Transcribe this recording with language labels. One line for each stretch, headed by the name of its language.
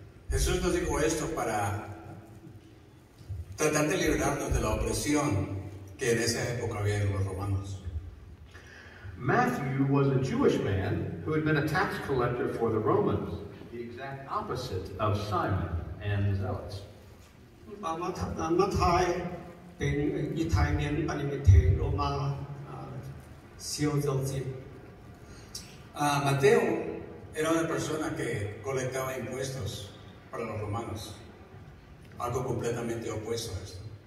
Spanish: Jesús nos dijo esto para tratar de librarnos de la opresión que en esa época había en los romanos.
English: Matthew was a Jewish man who had been a tax collector for the Romans, the exact opposite of Simon and the Zealots.
Spanish: Mateo era una persona que colectaba impuestos para los romanos, algo completamente opuesto a esto.